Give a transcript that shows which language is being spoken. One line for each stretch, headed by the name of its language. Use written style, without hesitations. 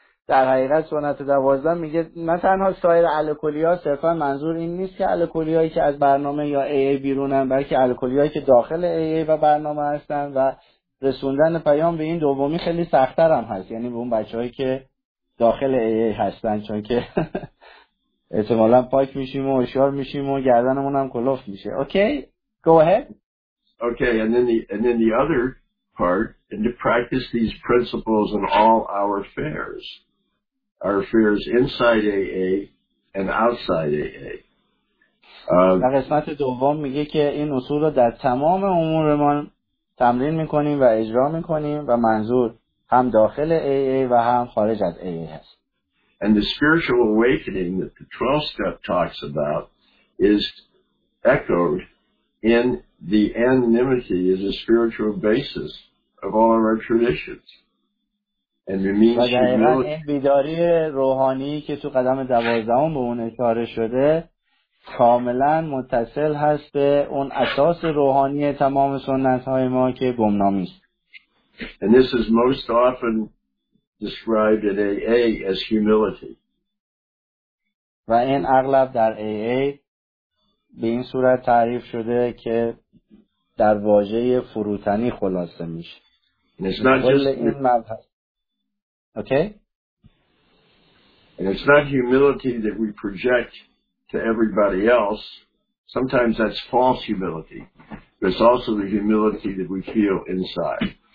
Persian: در حقیقت سنت دوازدهم میگه نه تنها سایر الکلی ها، صرفا منظور این نیست که الکلی هایی که از برنامه یا ای ای بیرونن، بلکه الکلی هایی که داخل ای ای و برنامه هستن و رسوندن پیام به این دومی خیلی سخت‌تر هم هست، یعنی به اون بچه‌ای که داخل ای ای هستن، چون که احتمالا پاک میشیم و اشار میشیم و گردنمون هم کلفت میشه.
English: Okay? Go ahead. Okay, and then the other part, and to practice these principles in all our affairs inside AA and outside AA.
Persian: در قسمت دوم میگه که این اصول رو در تمام امورمان تمرین میکنیم و اجرا میکنیم و منظور هم داخل AA و هم خارج از AA هست.
English: And the spiritual awakening that the 12 step talks about is echoed in the anonymity as a spiritual basis of all of our traditions. And it means humility.
Persian: این بیداری روحانی که تو قدم 12 به اون اشاره شده کاملا متصل هست به اون اساس روحانی تمام سنت های ما که گمنامی است.
English: And this is most often described in AA as humility.
Persian: و این اغلب در AA به این صورت تعریف شده که در واژه فروتنی خلاصه میشه.
English: And it's not just
Persian: این مبحث. Okay?
English: And it's not humility that we project to everybody else. Sometimes that's false humility. But it's also the humility that we feel inside.